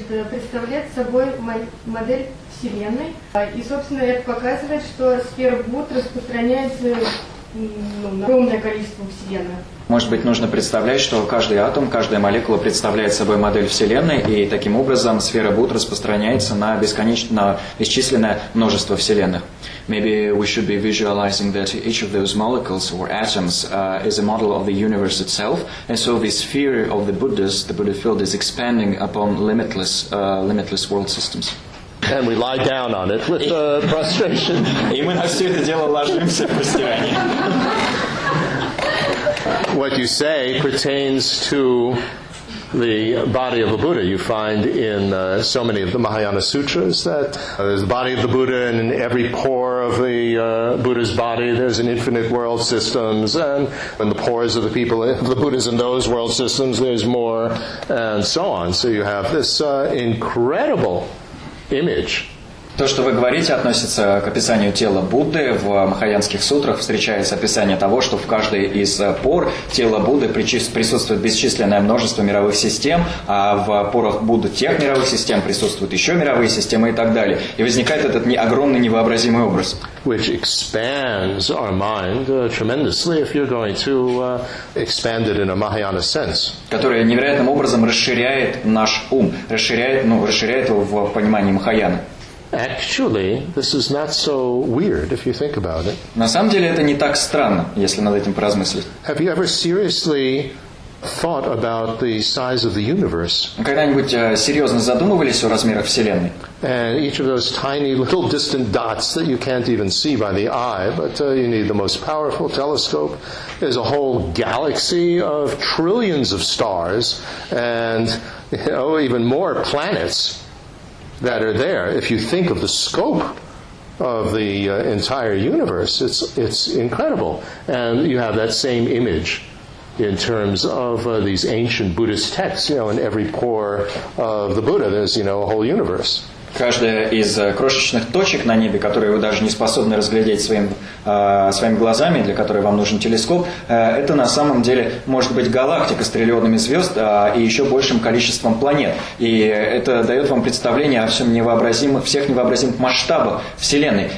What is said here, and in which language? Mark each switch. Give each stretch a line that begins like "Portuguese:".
Russian: представляет собой модель Вселенной. И, собственно, это показывает, что сфера Будд распространяется огромное количество Вселенной. Может быть, нужно представлять, что каждый атом, каждая молекула представляет собой модель Вселенной, и таким образом сфера Будд распространяется на бесконечно исчисленное множество Вселенных.
English: Maybe we should be visualizing that each of those molecules or atoms is a model of the universe itself, and so the sphere of the Buddha field, is expanding upon limitless world systems. And we lie down on it with frustration.
Russian: И мы на все это дело ложимся в простирание.
English: What you say pertains to the body of the Buddha. You find in so many of the Mahayana sutras that there's the body of the Buddha, and in every pore of the Buddha's body there's an infinite world systems, and in the pores of the people of the Buddha's in those world systems there's more, and so on. So you have this incredible image.
Russian: То, что вы говорите, относится к описанию тела Будды. В махаянских сутрах встречается описание того, что в каждой из пор тела Будды присутствует бесчисленное множество мировых систем, а в порах Будды тех мировых систем присутствуют еще мировые системы и так далее. И возникает этот огромный невообразимый образ.
English: Which expands our mind tremendously if you're going to expand it in a Mahayana sense.
Russian: Которое невероятным образом расширяет наш ум, расширяет его в понимании Махаяны.
English: Actually, this is not so weird if you think about it.
Russian: На самом деле это не так странно, если над этим поразмыслить.
English: Have you ever seriously thought about the size of the universe?
Russian: Когда-нибудь серьезно задумывались о размерах Вселенной?
English: And each of those tiny little distant dots that you can't even see by the eye, but you need the most powerful telescope, is a whole galaxy of trillions of stars, and even more planets that are there. If you think of the scope of the entire universe, it's incredible. And you have that same image in terms of these ancient Buddhist texts. You know, in every pore of the Buddha, there's, you know, a whole universe.
Russian: Каждая из крошечных точек на небе, которые вы даже не способны разглядеть своими глазами, для которой вам нужен телескоп, это на самом деле может быть галактика с триллионами звезд и еще большим количеством планет. И это дает вам представление о всех невообразимых масштабах Вселенной.